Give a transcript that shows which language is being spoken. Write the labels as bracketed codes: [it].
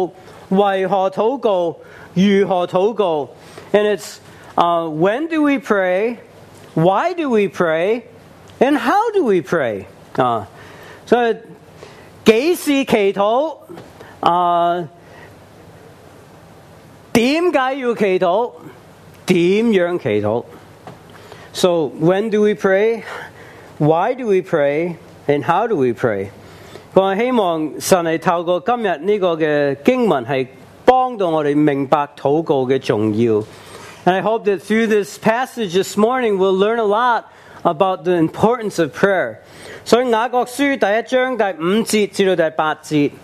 [yue] 第一个就是何时祷告,为何祷告,如何祷告? [en] And it's when do we pray, why do we pray, and how do we pray? [yue] 所以几时祈祷? 点解要祈祷？点样祈祷？ [en] So when do we pray? Why do we pray? And how do we pray? [yue] 我希望神系透过今日呢个嘅经文，系帮到我哋明白祷告嘅重要。 [en] And I hope that through this passage this morning, we'll learn a lot about the importance of prayer. [yue] 所以雅各书第一章第五节至到第八节。